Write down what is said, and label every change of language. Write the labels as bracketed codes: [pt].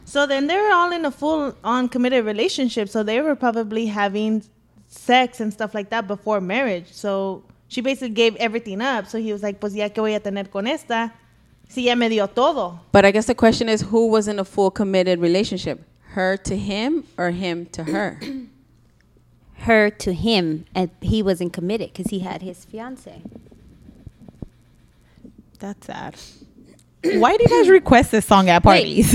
[en] So then they're all in a full-on committed relationship. So they were probably having sex and stuff like that before marriage. So she basically gave everything up. So he was like, [es] pues ya que voy a tener con esta. Si ya me dio todo. [en] But I guess the question is, who was in a full committed relationship? Her to him or him to her? Her to him. And he wasn't committed because he had his fiance. That's sad. Why do you guys request this song at parties?